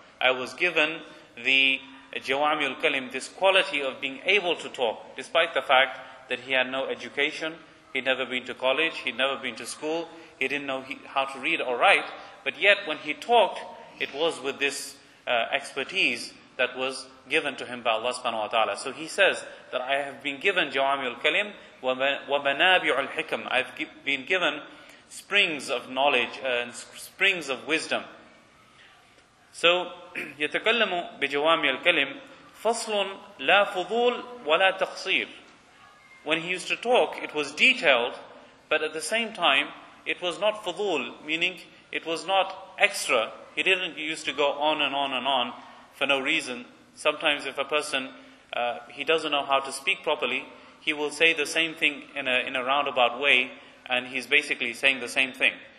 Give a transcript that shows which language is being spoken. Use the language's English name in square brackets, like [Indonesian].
[English] I was given the [Arabic] جَوَامِعُ الْكَلِمِ, [English] this quality of being able to talk, despite the fact that he had no education, he'd never been to college, he'd never been to school, he didn't know how to read or write, but yet when he talked, it was with this expertise that was given to him by Allah subhanahu wa ta'ala. So he says that I have been given [Arabic] جَوَامِعُ الْكَلِمِ وَمَنَابِعُ الْحِكَمِ. [English] I've been given springs of knowledge and springs of wisdom. [Arabic] So, يتكلم بجوامع الكلم فصل لا فضول ولا تقصير. [English] When he used to talk, it was detailed, but at the same time, it was not فضول, meaning it was not extra. He didn't used to go on and on and on for no reason. Sometimes if a person, he doesn't know how to speak properly, he will say the same thing in a roundabout way, and he's basically saying the same thing.